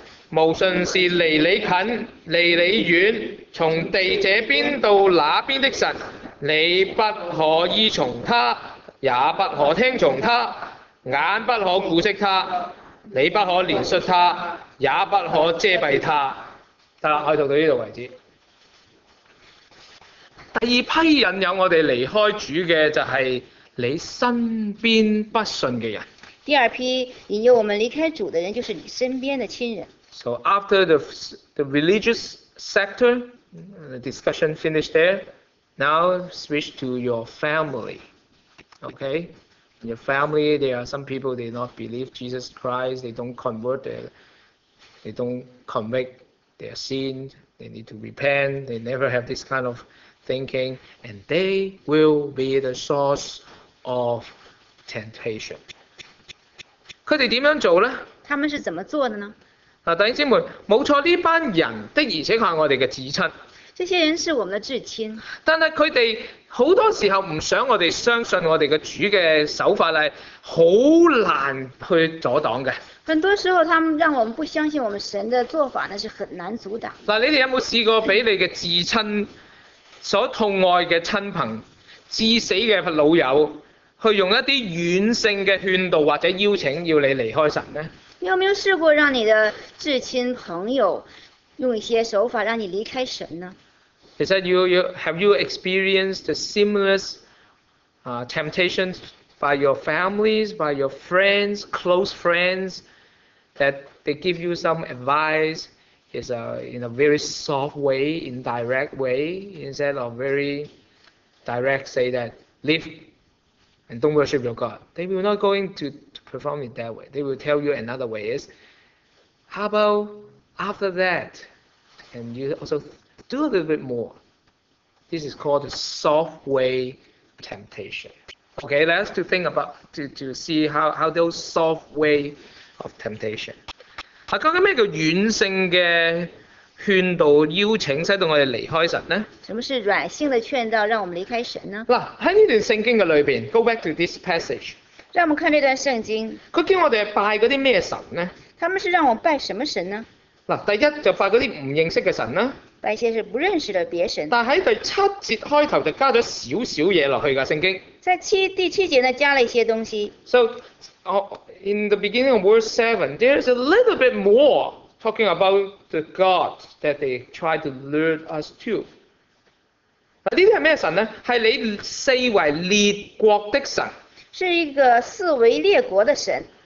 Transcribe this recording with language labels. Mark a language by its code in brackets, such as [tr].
[zh] 无论是离你近离你远，从地这边到那边的神，你不可依从他，也不可听从他，眼不可顾惜他，你不可怜恤他，也不可遮蔽他。行了，我读到这里为止。第二批引诱我们离开主的，就是你身边不信的人。第二批引诱我们离开主的人，就是你身边的亲人。 [en] So after the religious sector, the discussion finished there, now switch to your family. Okay? In your family, there are some people, they not believe Jesus Christ, they don't convert, they don't convict their sin, they need to repent, they never have this kind of thinking, and they will be the source of temptation. [zh] 他们怎样做呢？他们是怎么做的呢？弟兄姊妹，没错，这班人的而且是我们的至亲。这些人是我们的至亲。但是他们很多时候不想我们相信我们的主的手法是很难去阻挡的。很多时候他们让我们不相信我们神的做法，那是很难阻挡。你们有没有试过被你的至亲所痛爱的亲朋、至死的老友，去用一些软性的劝导或者邀请要你离开神呢？你有没有试过让你的至亲朋友用一些手法让你离开神呢？其实 [en] have you experienced the similar temptations by your families, by your friends, close friends, that they give you some advice? Is in a very soft way, indirect way, instead of very direct, say that leave and don't worship your God. They will not going to perform it that way. They will tell you another way is, how about after that? And you also do a little bit more. This is called a soft way temptation. Okay, let's to think about, to see how those soft way of temptation. [zh] 究竟什么叫软性的劝导邀请使到我们离开神呢？什么是软性的劝导让我们离开神呢？在这段圣经的里面， [en] go back to this passage， [zh] 让我们看这段圣经，他叫我们拜那些什么神呢？他们是让我们拜什么神呢？第一就拜那些不认识的神，拜些是不认识的别神。但在第七节开头就加了少少东西下去的，圣经在第七节呢加了一些东西。 [en] So in the beginning of verse 7, there's a little bit more talking about the God that they try to lure us to. [zh] 这些是什么神呢？是你四围列国的神。是一个四围列国的神。